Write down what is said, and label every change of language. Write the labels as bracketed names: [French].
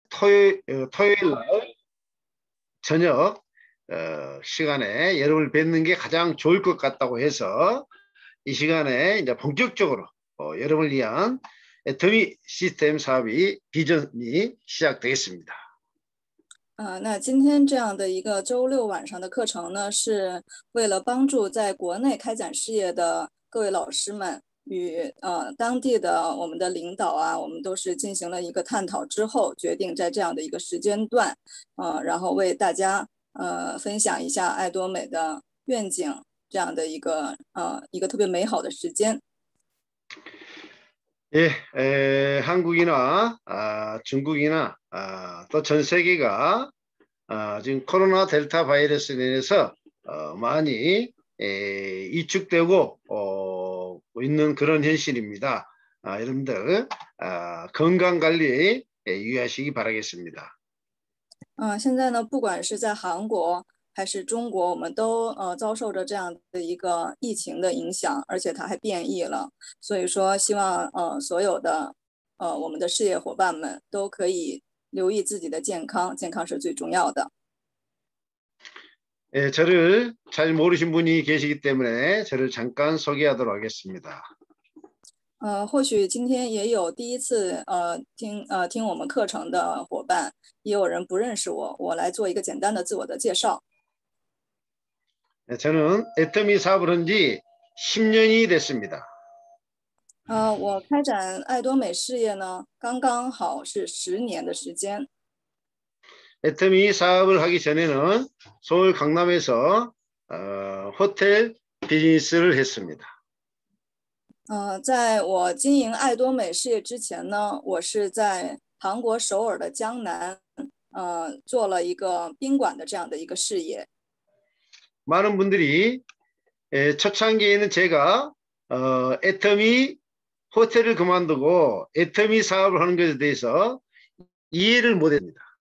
[Korean] 토요일 날 저녁 시간에 여러분을 뵙는 게 가장 좋을 것 같다고 해서 이 시간에 이제 본격적으로 여러분을 위한 애터미 시스템 사업이 비전이 시작되겠습니다. [Chinese] 啊，那今天这样的一个周六晚上的课程呢，是为了帮助在国内开展事业的各位老师们与当地的我们的领导啊，我们都是进行了一个探讨之后，决定在这样的一个时间段，然后为大家分享一下爱多美的愿景这样的一个特别美好的时间。 [Korean] 예, 한국이나 중국이나 또전 세계가 지금 코로나 델타 바이러스에 대해서 많이 위축되고 있는 그런 현실입니다. 여러분들 건강 관리 유의하시기 바라겠습니다. [Chinese] 现在呢，不管是在韩国还是中国，我们都遭受着这样的一个疫情的影响，而且它还变异了。所以说，希望所有的我们的事业伙伴们都可以留意自己的健康，健康是最重要的。 [Korean] 예, 저를 잘 모르신 분이 계시기 때문에 저를 잠깐 소개하도록 하겠습니다. [Chinese] 或许今天也有第一次听我们课程的伙伴，也有人不认识我来做一个简单的自我的介绍。 [Korean] 예, 저는 애터미 사업을 한지 10년이 됐습니다. [Chinese] 我开展爱多美事业呢，刚刚好是10年的时间。 [Korean] 애터미 사업을 하기 전에는 서울 강남에서 호텔 비즈니스를 했습니다. [Chinese] 在我经营爱多美事业之前呢，我是在韩国首尔的江南，做了一个宾馆的这样的一个事业。 [Korean] 많은 분들이 초창기에는 제가 애터미 호텔을 그만두고 애터미 사업을 하는 것에 대해서 이해를 못했습니다.